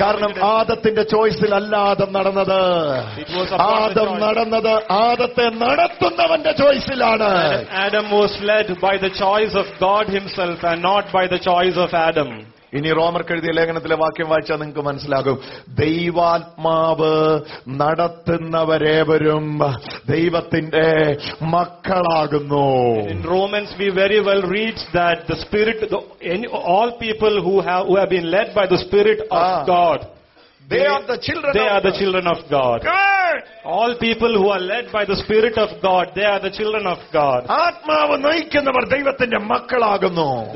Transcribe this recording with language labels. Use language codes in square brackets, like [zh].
[ml] കാരണം ആദത്തിന്റെ ചോയ്സിൽ അല്ല ആദം നടന്നത്. ആദം നടന്നത് ആദത്തെ നടത്തുന്നവന്റെ ചോയ്സിലാണ്. [en] Adam was led by the choice of God himself and not by the choice of Adam. [ml] ഇനി റോമർക്ക് എഴുതിയ ലേഖനത്തിലെ വാക്യം വായിച്ചാൽ നിങ്ങൾക്ക് മനസ്സിലാകും, ദൈവാത്മാവ് നടത്തുന്നവരേവരും ദൈവത്തിന്റെ മക്കളാകുന്നു. [en] In Romans we very well read that the spirit, all people who have been led by the spirit of God, they are the children of God. God. All people who are led by the Spirit of God, they are the children of God. [ml] Atmaavu naikkunnavar devathinte makkalagunu.